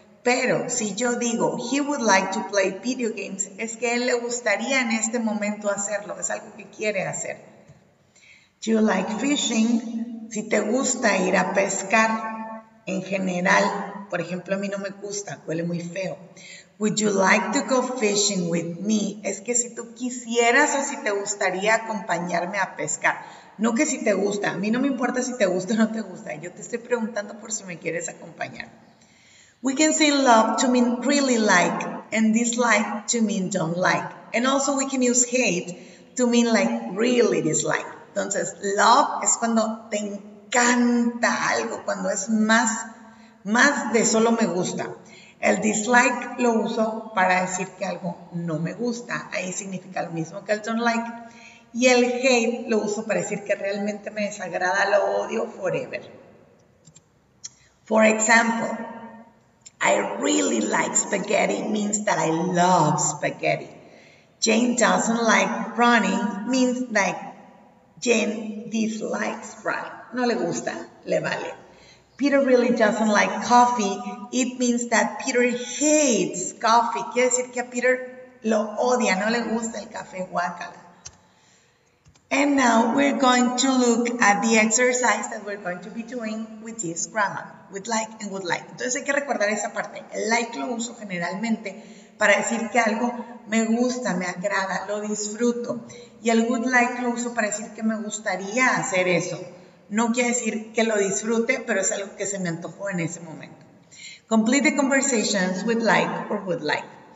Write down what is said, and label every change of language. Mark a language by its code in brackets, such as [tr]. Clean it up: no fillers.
[es] Pero si yo digo, [en] he would like to play video games, [es] es que él le gustaría en este momento hacerlo, es algo que quiere hacer. [en] Do you like fishing? [es] Si te gusta ir a pescar, en general, por ejemplo, a mí no me gusta, huele muy feo. [en] Would you like to go fishing with me? [es] Es que si tú quisieras o si te gustaría acompañarme a pescar. No que si te gusta, a mí no me importa si te gusta o no te gusta, yo te estoy preguntando por si me quieres acompañar. [en] We can say love to mean really like and dislike to mean don't like. And also we can use hate to mean like really dislike. [es] Entonces, love es cuando te encanta algo, cuando es más de solo me gusta. El dislike lo uso para decir que algo no me gusta. Ahí significa lo mismo que el don't like. Y el hate lo uso para decir que realmente me desagrada, lo odio forever. [en] For example, I really like spaghetti means that I love spaghetti. Jane doesn't like running means that Jane dislikes running. [es] No le gusta, le vale. [en] Peter really doesn't like coffee. It means that Peter hates coffee. [es] Quiere decir que a Peter lo odia, no le gusta el café, guácala. [en] And now we're going to look at the exercise that we're going to be doing with this grammar, with like and would like. [es] Entonces hay que recordar esa parte. El like lo uso generalmente para decir que algo me gusta, me agrada, lo disfruto. Y el would like lo uso para decir que me gustaría hacer eso. No quiere decir que lo disfrute, pero es algo que se me antojó en ese momento. [en] Complete the conversations with like or would like.